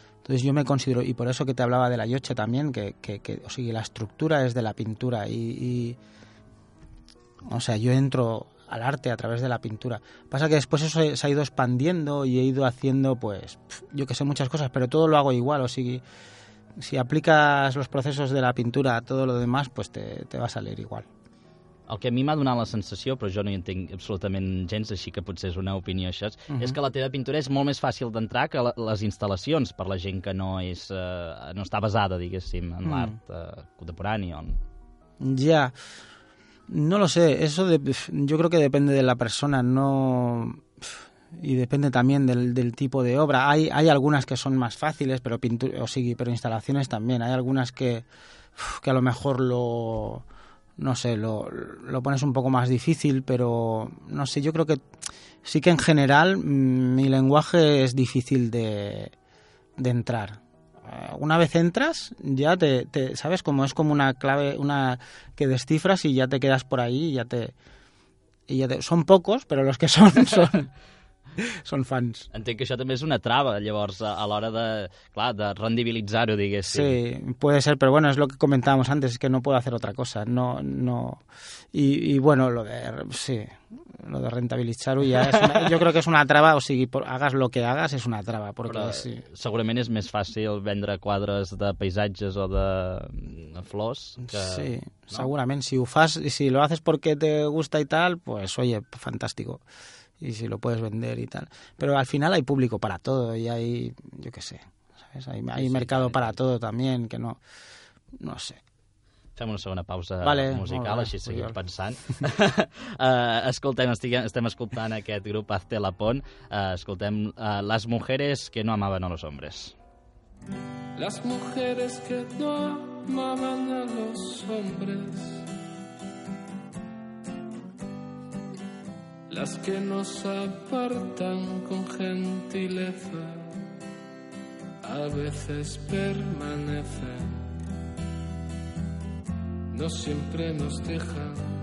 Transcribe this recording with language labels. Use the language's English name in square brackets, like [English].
[Spanish] Entonces yo me considero, y por eso que te hablaba de la yoche también, que o sea, la estructura es de la pintura y o sea, yo entro al arte a través de la pintura. Pasa que después eso se ha ido expandiendo y he ido haciendo, pues, yo que sé, muchas cosas, pero todo lo hago igual, o sea, si aplicas los procesos de la pintura a todo lo demás, pues te va a salir igual. [Catalan] El que a mi m'ha donat la sensació, però jo no hi entenc absolutament gens, així que potser és una opinió això, és que la teva pintura és molt més fàcil d'entrar que les instal·lacions per la gent que no està basada, diguéssim, en l'art contemporani. [Spanish] No lo sé. Yo creo que depende de la persona, no... Y depende también del tipo de obra. Hay algunas que son más fáciles, pero pero instalaciones también. Hay algunas que a lo mejor no sé, lo pones un poco más difícil, pero no sé, yo creo que sí que en general mi lenguaje es difícil de entrar. Una vez entras, ya te ¿sabes? Como es como una clave, una que descifras y ya te quedas por ahí y ya te son pocos, pero los que son [Catalan] són [Spanish] fans. [Catalan] Entenc que això també és una trava, llavors, a l'hora de, clar, de rendibilitzar-ho, diguéssim. [Spanish] Sí, puede ser, pero bueno, es lo que comentábamos antes, es que no puedo hacer otra cosa, no... Y bueno, lo de [Catalan] rentabilitzar-ho ja és... Jo crec que és una trava, o sigui, [Spanish] hagas lo que hagas, [Catalan] és una trava, perquè sí. Segurament és més fàcil vendre quadres de paisatges o de flors que... Sí, no? Segurament, si ho fas, [Spanish] y si lo haces porque te gusta y tal, pues oye, fantástico. Y si lo puedes vender y tal. Pero al final hay público para todo y hay, yo qué sé, ¿sabes? Hay mercado para todo también, que no sé. [Catalan] Fem una segona pausa musical, així seguim pensant. Estem escoltant aquest grup Hazte la Pont. Escoltem Las mujeres que no amaban a los hombres. [Spanish] Las mujeres que no amaban a los hombres, las que nos apartan con gentileza, a veces permanecen, no siempre nos dejan.